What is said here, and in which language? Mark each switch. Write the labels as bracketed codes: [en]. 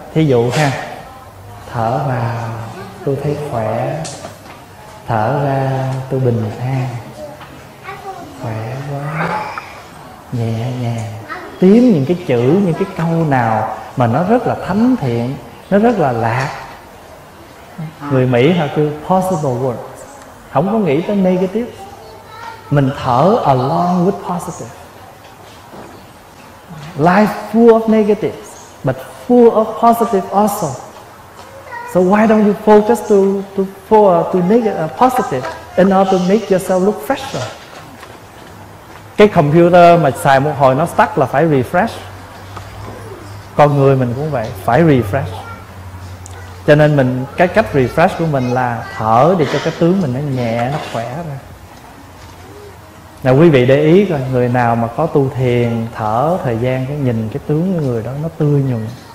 [vi] Thí dụ ha: thở vào tôi thấy khỏe, thở ra tôi bình an, khỏe quá, nhẹ nhàng. Tiếm những cái chữ, những cái câu nào mà nó rất là thánh thiện, nó rất là lạc. Người Mỹ họ kêu [en] positive words, [vi] không có nghĩ tới negative. Mình thở [en] along with positive. Life full of negative but full of positive also. So why don't you focus to positive in order to make yourself look fresher? [vi] Cái computer mà xài một hồi nó stuck là phải refresh. Con người mình cũng vậy, phải refresh. Cho nên mình cái cách refresh của mình là thở để cho cái tướng mình nó nhẹ, nó khỏe ra. Nào quý vị để ý coi, người nào mà có tu thiền thở thời gian, cái nhìn cái tướng của người đó nó tươi nhuận.